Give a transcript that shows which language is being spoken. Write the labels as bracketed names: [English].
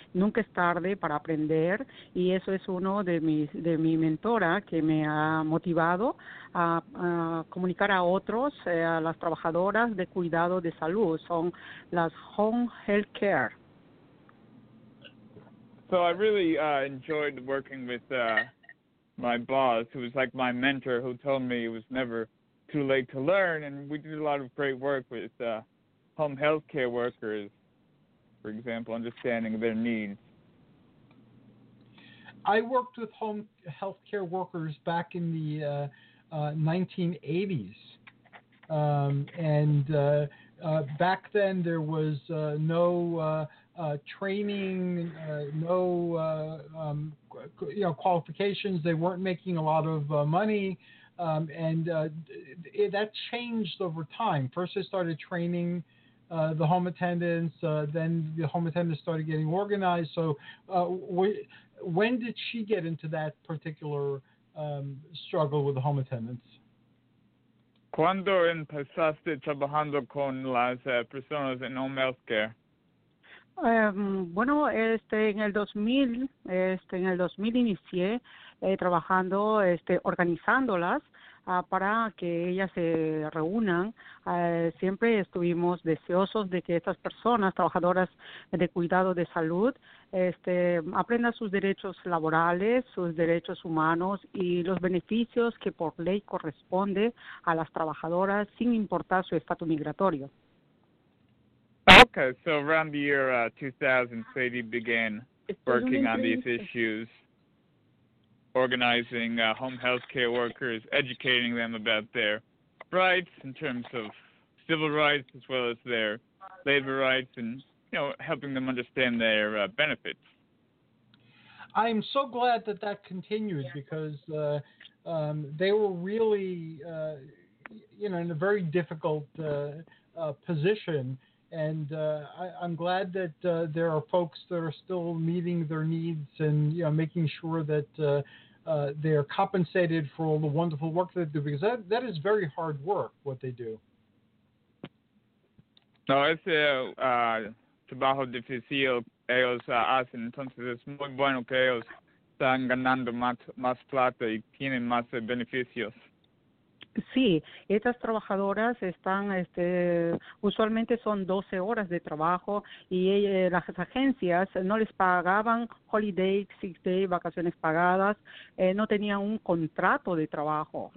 [Spanish] Nunca es tarde para aprender. Y eso es uno de mi mentora que me ha motivado a comunicar a otros, a las trabajadoras de cuidado de salud. Son las [English] home health care. So I really enjoyed working with my boss, who was like my mentor, who told me it was never too late to learn. And we did a lot of great work with home health care workers, for example, understanding their needs. I worked with home health care workers back in the 1980s. Back then there was no training, no qualifications. They weren't making a lot of money. That changed over time. First they started training the home attendants, then the home attendants started getting organized. So when did she get into that particular struggle with the home attendants? [Spanish] ¿Cuándo empezaste trabajando con las personas en [English] home health care? [Spanish] En el 2000, en el 2000 inicié trabajando, organizándolas. Para que ellas se reúnan, siempre estuvimos deseosos de que estas personas, trabajadoras de cuidado de salud, aprendan sus derechos laborales, sus derechos humanos y los beneficios que por ley corresponde a las trabajadoras sin importar su estatus migratorio. [English] Okay, so around the year 2000, Sadie began working on these issues. Organizing home health care workers, educating them about their rights in terms of civil rights as well as their labor rights and, helping them understand their benefits. I'm so glad that that continued because they were really, in a very difficult position. And I'm glad that there are folks that are still meeting their needs and, making sure that they are compensated for all the wonderful work that they do, because that is very hard work, what they do. [Spanish] No, es trabajo difícil ellos hacen, entonces es muy bueno que ellos están ganando más plata y tienen más beneficios. Sí, estas trabajadoras están, usualmente son 12 horas de trabajo y las agencias no les pagaban [English] holiday, sick day, [Spanish] vacaciones pagadas, no tenían un contrato de trabajo.